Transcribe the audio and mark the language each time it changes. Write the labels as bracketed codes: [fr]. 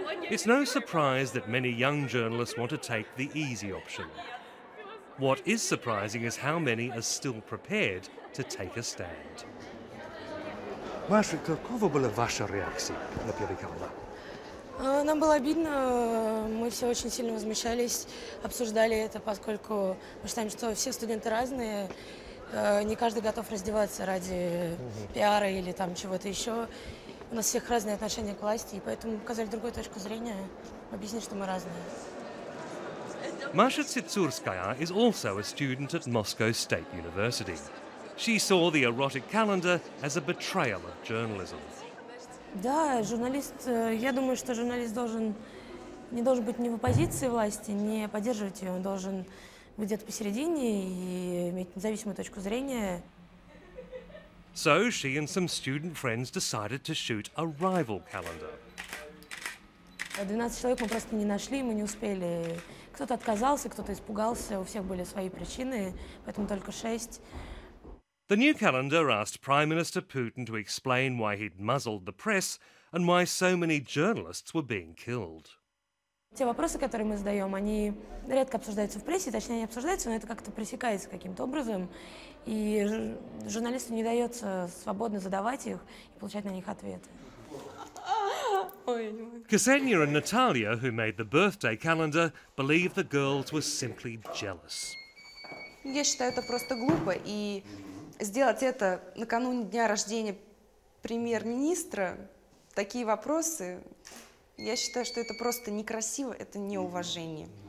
[en] It's no surprise that many young journalists want to take the easy option. What is surprising is how many are still prepared to take a stand. [ru] Маша, какова была ваша реакция на первый канал? Нам было обидно, мы все очень сильно возмущались, обсуждали это, поскольку мы считаем, что все студенты разные, не каждый готов раздеваться ради пиара или там чего-то еще. У нас всех разные отношения к власти, и поэтому показали другую точку зрения, объяснить, что мы разные. [en] Маша Цицурская is also a student at Moscow State University. She saw the erotic calendar as a betrayal of journalism. [ru] Да, журналист, я думаю, что журналист должен не должен быть ни в оппозиции власти, не поддерживать ее. Он должен быть где-то посередине и иметь независимую точку зрения. [en] So she and some student friends decided to shoot a rival calendar. [ru] 12 человек мы просто не нашли, мы не успели. Кто-то отказался, кто-то испугался, у всех были свои причины, поэтому только 6. [en] The new calendar asked Prime Minister Putin to explain why he'd muzzled the press and why so many journalists were being killed. [ru] Те вопросы, которые мы задаем, они редко обсуждаются в прессе, точнее, не обсуждаются, но это как-то пресекается каким-то образом, и журналисту не дается свободно задавать их и получать на них ответы. [en] Ксения and Natalia, who made the birthday calendar, believe the girls were simply jealous. [ru] Я считаю, это просто глупо, и сделать это накануне дня рождения премьер-министра, такие вопросы, я считаю, что это просто некрасиво, это неуважение.